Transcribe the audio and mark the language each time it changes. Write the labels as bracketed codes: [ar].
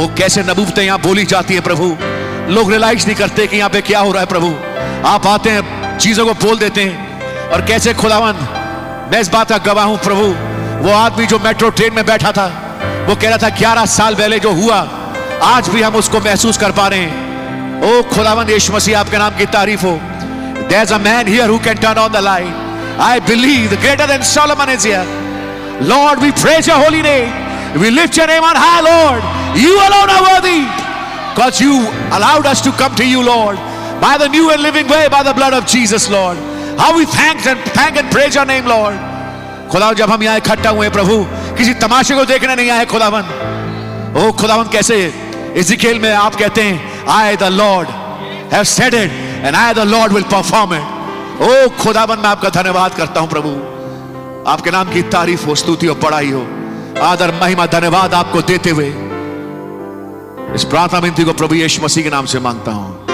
[hi] ओ कैसे नबूवतें यहां बोली जाती है प्रभु, लोग रियलाइज नहीं करते कि यहां पे क्या हो रहा है प्रभु, आप आते हैं चीजों को बोल देते हैं, और कैसे खुदावन मैं इस बात का गवाह हूं प्रभु। वो आदमी जो मेट्रो ट्रेन में बैठा था, वो कह रहा था 11 साल पहले जो हुआ आज भी हम उसको महसूस कर पा रहे हैं। ओ खुदावन यीशु मसीह, आपके नाम की तारीफ हो। [en] There's a man here who can turn on the light. I believe greater than Solomon is here. Lord, we praise your holy name. We lift your name on high, Lord. You alone are worthy. Because you allowed us to come to you, Lord. By the new and living way, by the blood of Jesus, Lord. How we thank and praise your name, Lord. [hi] खुदावन, जब हम यहाँ इकट्ठा हुए प्रभु, किसी तमाशे को देखने नहीं आए खुदावन। ओ खुदावन, कैसे इज़ीकेल में आप कहते हैं, [en] I the Lord have said it and I the Lord will perform it. [hi] ओ खुदावन, मैं आपका धन्यवाद करता हूं प्रभु, आपके नाम की तारीफ हो, स्तुति हो, बड़ाई हो, आदर महिमा धन्यवाद आपको देते हुए इस प्रार्थना विनती को प्रभु यीशु मसीह के नाम से मांगता हूं।